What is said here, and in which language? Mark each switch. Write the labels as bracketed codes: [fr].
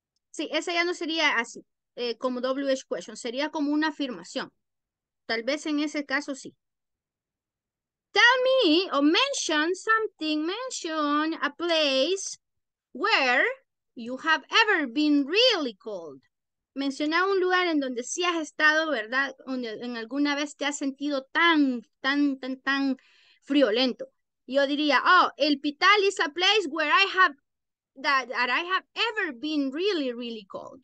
[es] Sí, esa ya no sería así, como WH question. Sería como una afirmación. Tal vez en ese caso sí. [en] Tell me or mention something, mention a place where you have ever been really cold. [es] Menciona un lugar en donde sí has estado, ¿verdad? En alguna vez te has sentido tan, tan, tan, tan friolento. Yo diría, [en] oh, El Pital is a place where I have, that I have ever been really, really cold.